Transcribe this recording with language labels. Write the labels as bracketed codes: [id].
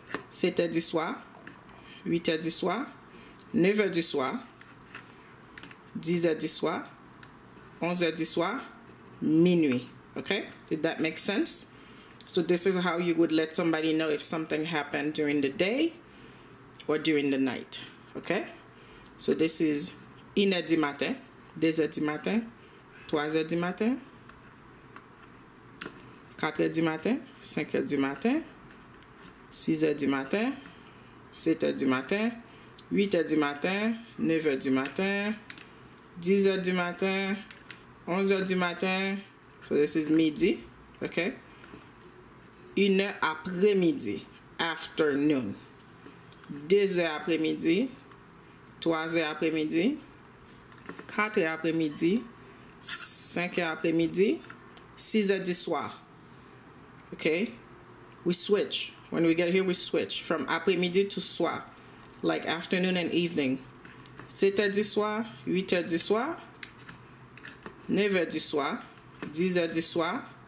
[fr] 7 heures du soir. 8 heures du soir. 9 heures du soir. 10 heures du soir. 11 heures du soir. Minuit. [en] Okay? Did that make sense? So this is how you would let somebody know if something happened during the day or during the night. Okay? So this is [fr] 1 heure du matin, 2 heures du matin, 3 heures du matin, 4 heures du matin, 5 heures du matin, 6 heures du matin, 7 heures du matin, 8 heures du matin, 9 heures du matin, 10 heures du matin, 11 heures du matin. [en] So this is midi, okay? [fr] 1 heure après-midi, [en] afternoon. [fr] 2 heures après-midi, 3 heures après-midi, 4 heures après-midi, 5 heures après-midi, 6 heures du soir. [en] Okay? We switch. When we get here, we switch from après-midi to soir, like afternoon and evening. [fr] 7 heures du soir, 8 heures du soir, 9 heures du soir, 10 heures du soir.